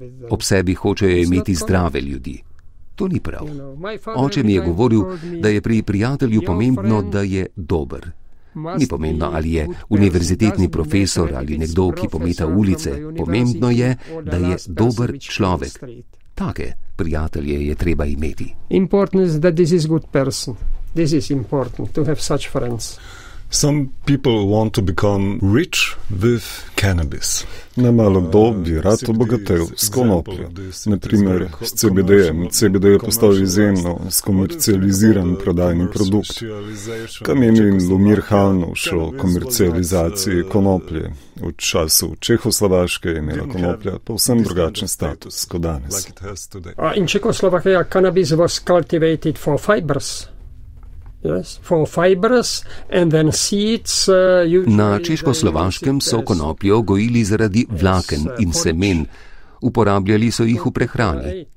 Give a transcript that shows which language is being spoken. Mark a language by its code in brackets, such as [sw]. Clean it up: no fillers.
[sl] Ob sebi hočejo imeti zdrave ljudi. To ni prav. Oče mi je govoril, da je pri prijatelju pomembno, da je dober. Ni pomembno, ali je univerzitetni profesor ali nekdo, ki pometa ulice. Pomembno je, da je dober človek. Take prijatelje je treba imeti. [en] Important is that this is good person. This is important to have such friends. Some people want to become rich with cannabis. [sl] Nemalo kdo bi rad obogatel s konopljo. Naprimer s CBD-jem. CBD je postal izjemno skomercializiran prodajni produkt. Kam je imel Lumir Hanuš o komercializaciji konoplje? V času Čehoslovaške je imela konoplja povsem drugačen status kot danes. [en] In Čehoslovakija cannabis was cultivated for fibers. Yes, for fibers and then seeds, [sl] Na Češko-Slovaškem so konopljo gojili zaradi vlaken in semen. Uporabljali so jih v prehrani.